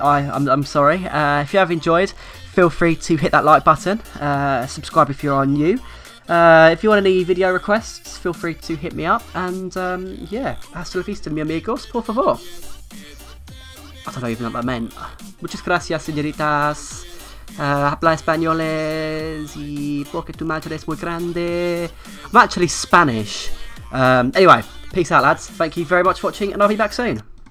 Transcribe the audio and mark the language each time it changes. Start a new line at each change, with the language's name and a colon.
English: I'm sorry. If you have enjoyed, feel free to hit that like button. Subscribe if you are new. If you want any video requests, feel free to hit me up. And yeah,
Spanish: hasta la vista, mi amigos, por favor.
English: I don't even know what that meant.
Spanish: Muchas gracias, señoritas. Habla españoles y porque tu madre es muy grande.
English: I'm actually Spanish. Anyway, peace out, lads. Thank you very much for watching, and I'll be back soon.